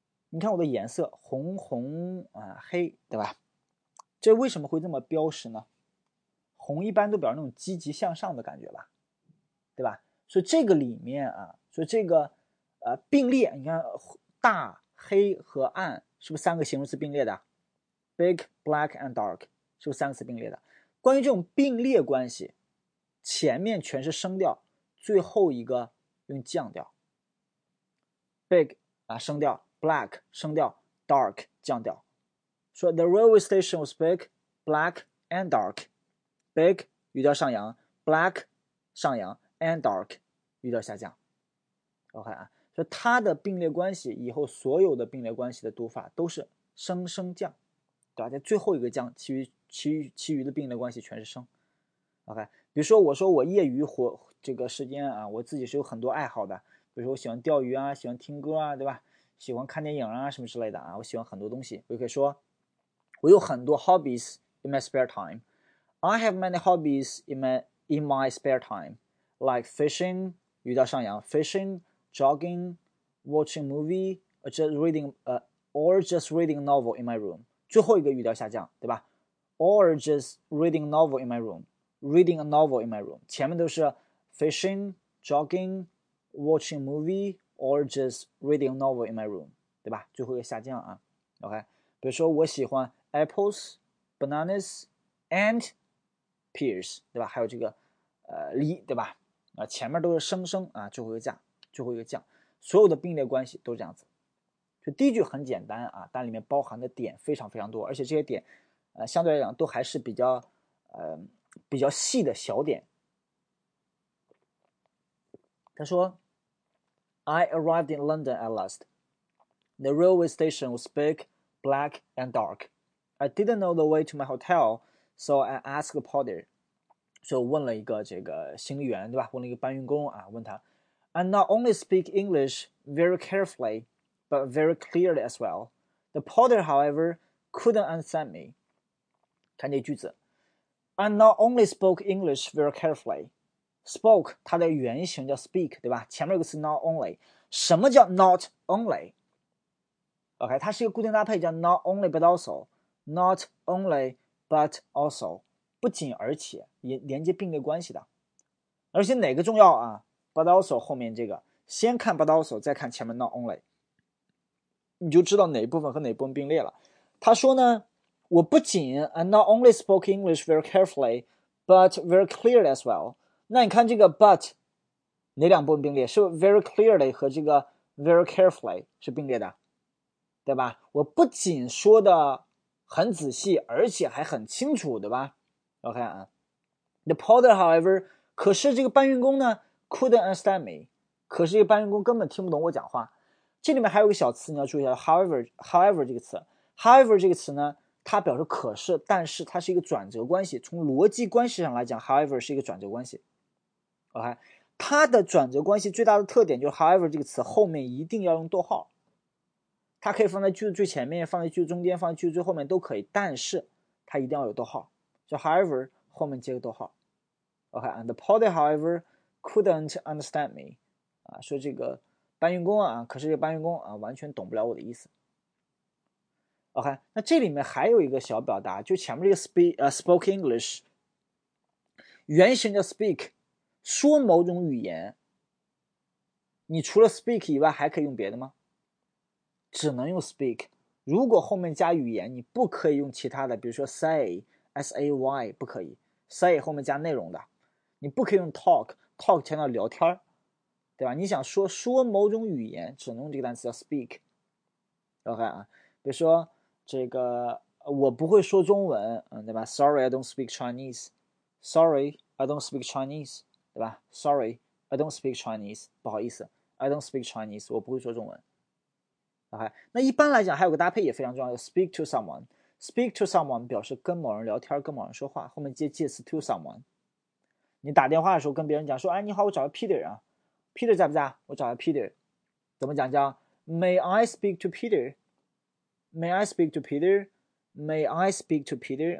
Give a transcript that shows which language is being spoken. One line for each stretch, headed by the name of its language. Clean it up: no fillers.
Chinese: 你看我的颜色红啊黑对吧这为什么会这么标识呢红一般都表示那种积极向上的感觉吧对吧所以这个里面啊所以这个并列你看大黑和暗是不是三个形容词并列的 ?big, black, and dark, 是不是三个词并列的关于这种并列关系前面全是升调最后一个用降调。 big, 啊升调 ,black, 升调 ,dark, 降调。
English: 说 the railway station was big, black, and dark.
Chinese: big, 语调上扬 ,black, 上扬 ,and dark, 语调下降。 OK 啊，所以它的并列关系以后所有的并列关系的读法都是升升降，对吧？在最后一个降，其余的并列关系全是升。OK， 比如说我说我业余这个时间啊，我自己是有很多爱好的，比如说我喜欢钓鱼啊，喜欢听歌啊，对吧？喜欢看电影啊，什么之类的啊，我喜欢很多东西。我可以说，我有很多
English: hobbies in my spare time. I have many hobbies in my spare time, like fishing,
Chinese: 鱼钓上扬，
English: fishing, jogging, watching movie, or just reading novel in my room.
Chinese: 最后一个语调下降，对吧？
English: Or just reading novel in my room, reading a novel in my room.
Chinese: 前面都是
English: fishing, jogging, watching movie, or just reading novel in my room,
Chinese: 对吧？最后一个下降啊。 OK，比如说我喜欢 apples, bananas, and pears，对吧？还有这个梨，对吧？前面都是生生啊，最后一个降，最后一个降，所有的并列关系都是这样子。就第一句很简单啊，但里面包含的点非常非常多，而且这些点，相对来讲都还是比较细的小点。他说：“
English: I arrived in London at last. The railway station was big, black, and dark. I didn't know the way to my hotel, so I asked the porter.”
Chinese: 所以我问了一个这个行李员，对吧？问了一个搬运工啊，问他：
English: “I not only speak English very carefully。” But very clearly as well. The porter, however, couldn't understand me.
Chinese: 看这句子，
English: I not only spoke English very carefully.
Chinese: Spoke 它的原型叫 speak，对吧？前面有个词 not only。什么叫 not only？OK，它是一个固定搭配，叫 not only but also。 Not only but also，不仅而且，连接并列关系的。而且哪个重要啊？But also 后面这个，先看 but also，再看前面 not only。你就知道哪一部分和哪一部分并列了。他说呢，我不仅
English: I not only spoke English very carefully, but very clearly as well。
Chinese: 那你看这个 but 哪两部分并列？是 very clearly 和这个 very carefully 是并列的，对吧？我不仅说的很仔细，而且还很清楚，对吧？OK 啊，
English: the porter, however，
Chinese: 可是这个搬运工呢，
English: couldn't understand me。
Chinese: 可是这个搬运工根本听不懂我讲话。这里面还有一个小词，你要注意一下。 However 这个词，However 这个词呢，它表示可是，但是它是一个转折关系。从逻辑关系上来讲，However 是一个转折关系。OK，它的转折关系最大的特点就是 However 这个词后面一定要用逗号，它可以放在句子最前面，放在句子中间，放在句子最后面都可以，但是它一定要有逗号，就 However 后面接个逗号。
English: OK，And the porter, however, couldn't understand me。
Chinese: 啊，说这个。搬运工啊，可是这搬运工啊，完全懂不了我的意思。OK，那这里面还有一个小表达，就前面这个 spoke English，原型叫 speak，说某种语言。你除了 speak 以外，还可以用别的吗？只能用 speak。如果后面加语言，你不可以用其他的，比如说 say 不可以。 say 后面加内容的，你不可以用 talk 强调聊天儿。对吧？你想说某种语言，只能用这个单词叫 speak。 OK 啊，比如说这个我不会说中文，对吧？
English: Sorry, I don't speak Chinese. Sorry, I don't speak Chinese，
Chinese: 对吧？
English: Sorry, I don't speak Chinese，
Chinese: 不好意思，
English: I don't speak Chinese，
Chinese: 我不会说中文。 OK，那一般来讲还有个搭配也非常重要，就 speak to someone。Speak to someone 表示跟某人聊天，跟某人说话，后面接介词 to someone。你打电话的时候跟别人讲说：“哎，你好，我找个 Peter 啊。” Peter 在不在？我找个 Peter，怎么讲？叫
English: May I speak to Peter？May I speak to Peter？May I speak to Peter？